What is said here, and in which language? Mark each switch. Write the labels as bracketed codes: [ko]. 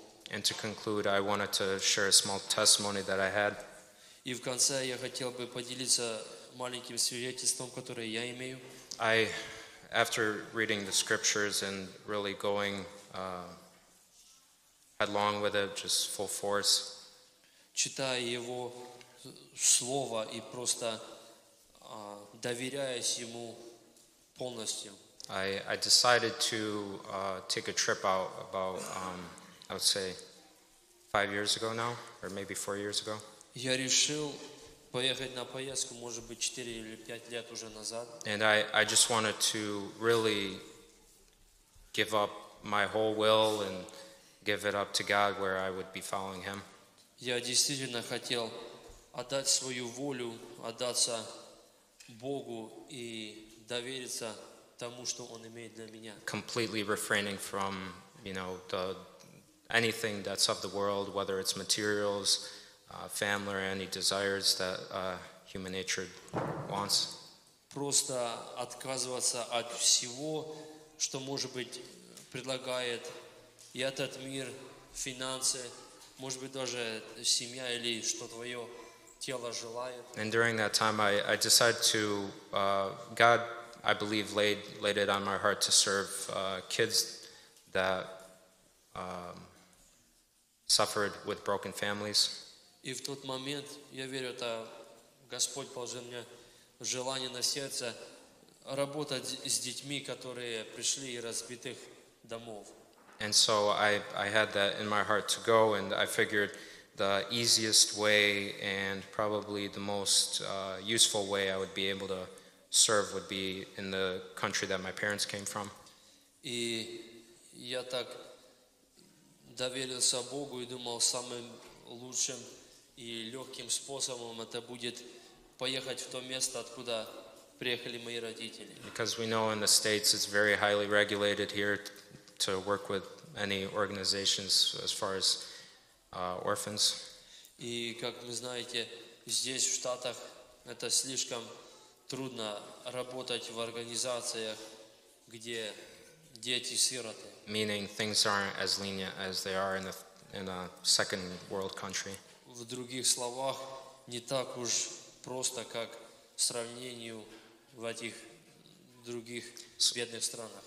[en] And to conclude, I wanted to share a small testimony that I had. [ru] И в конце я хотел бы поделиться маленьким свидетельством, которое я имею. [en] I, after reading the scriptures and really going headlong with it, just full force. [ru] Читая его слово и просто доверяясь ему полностью. [en] I decided to take a trip out about I would say 5 years ago now or maybe 4 years ago. [ru] Я решил поехать на поездку, может быть, 4 или 5 лет уже назад. [en] And I just wanted to really give up my whole will and give it up to God where I would be following Him. [ru] Я действительно хотел отдать свою волю, отдаться Богу и довериться тому, что он имеет для меня. [en] Completely refraining from, you know, anything that's of the world, whether it's materials, family, or any desires that human nature wants. [ru] Просто отказываться от всего, что может быть предлагает и этот мир, финансы, может быть даже семья или что твое тело желает. [en] And during that time, I decided to God. I believe laid it on my heart to serve kids that suffered with broken families. [ru] И в тот момент я верю, это Господь положил мне желание на сердце работать с детьми, которые пришли из разбитых домов. [en] And so I had that in my heart to go, and I figured the easiest way and probably the most useful way I would be able to serve would be in the country that my parents came from. [ru] И я так доверился Богу и думал самым лучшим и легким способом это будет поехать в то место, откуда приехали мои родители. [en] Because we know in the States it's very highly regulated here to work with any organizations as far as orphans. [ru] И как вы знаете, здесь в Штатах это слишком трудно работать в организациях, где дети сироты. [en] Meaning things aren't as lenient as they are in a second world country. [ru] В других словах, не так уж просто, как в сравнении в этих других бедных странах.